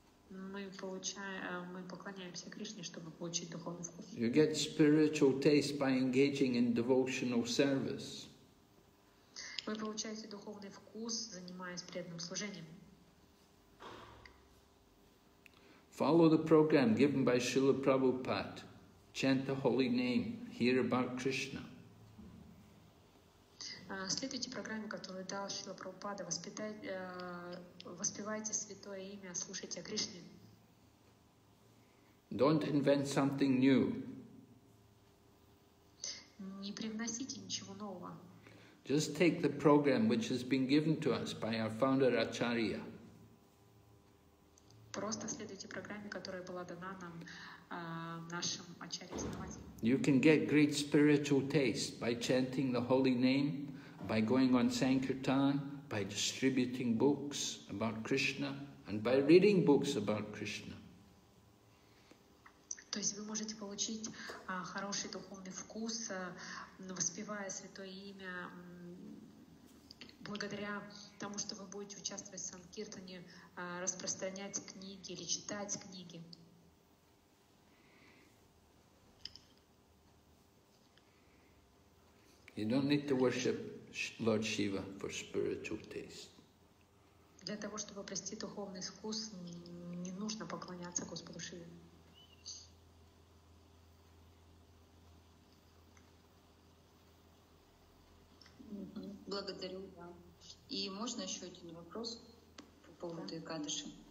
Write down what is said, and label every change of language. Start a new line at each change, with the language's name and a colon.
Russian: Мы поклоняемся Кришне, чтобы получить духовный вкус.
English: You get spiritual taste by engaging in devotional service.
Russian: Вы получаете духовный вкус, занимаясь преданным служением.
English: Follow the program given by Srila Prabhupada. Chant the holy name. Hear about Krishna.
Russian: Следуйте программе, которую дал Шрила Прабхупада. Воспевайте святое имя, слушайте о Кришне.
English: Don't invent something new.
Russian: Не привносите ничего нового.
English: Just take the program which has been given to us by our founder Acharya.
Russian: Просто следуйте программе, которая была дана нам нашим Ачарья-основателем.
English: You can get great spiritual taste by chanting the holy name, by going on Sankirtan, by distributing books about Krishna, and by reading books about Krishna.
Russian: То есть вы можете получить хороший духовный вкус, воспевая святое имя, благодаря тому, что вы будете участвовать в Санкиртане, распространять книги или читать книги.
English: You don't need to worship Lord Shiva for spiritual taste.
Russian: Для того, чтобы обрести духовный вкус, не нужно поклоняться Господу Шиве. Благодарю. И можно еще один вопрос по поводу Экадыши?